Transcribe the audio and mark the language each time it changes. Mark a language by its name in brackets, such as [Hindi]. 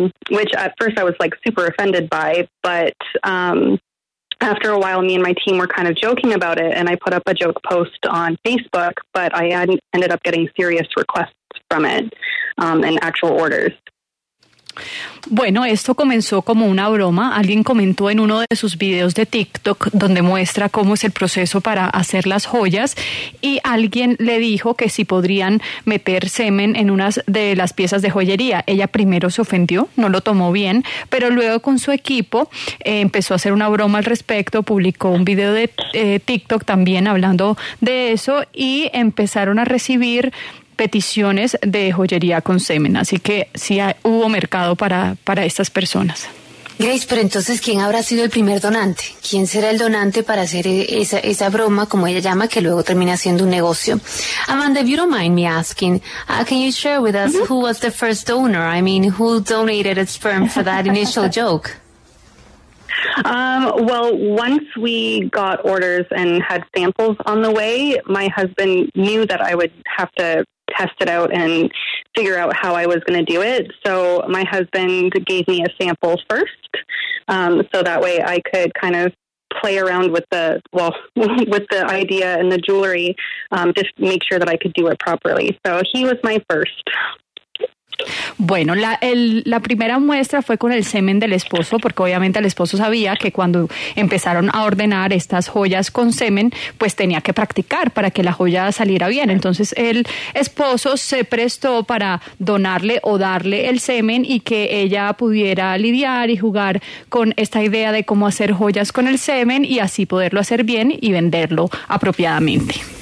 [English] which at first I was like super offended by, but after a while, me and my team were kind of joking about it, and I put up a joke post on Facebook, but I ended up getting serious requests from it, and actual orders. [Spanish] Bueno, esto comenzó como una broma. Alguien comentó en uno de sus videos de TikTok donde muestra cómo es el proceso para hacer las joyas y alguien le dijo que si podrían meter semen en unas de las piezas de joyería. Ella primero se ofendió, no lo tomó bien, pero luego con su equipo empezó a hacer una broma al respecto, publicó un video de TikTok también hablando de eso y empezaron a recibir peticiones de joyería con semen, así que sí hubo mercado para estas personas. Grace, pero entonces, ¿quién habrá sido el primer donante? ¿Quién será el donante para hacer esa broma, como ella llama, que luego termina siendo un negocio? [English] Amanda, if you don't mind me asking, can you share with us who was the first donor? I mean, who donated a sperm for that initial joke? Well, once we got orders and had samples on the way, my husband knew that I would have to test it out and figure out how I was going to do it. So my husband gave me a sample first, so that way I could kind of play around with the idea and the jewelry, just make sure that I could do it properly. So he was my first. [Spanish] Bueno, la primera muestra fue con el semen del esposo, porque obviamente el esposo sabía que cuando empezaron a ordenar estas joyas con semen, pues tenía que practicar para que la joya saliera bien. Entonces el esposo se prestó para donarle o darle el semen y que ella pudiera lidiar y jugar con esta idea de cómo hacer joyas con el semen y así poderlo hacer bien y venderlo apropiadamente.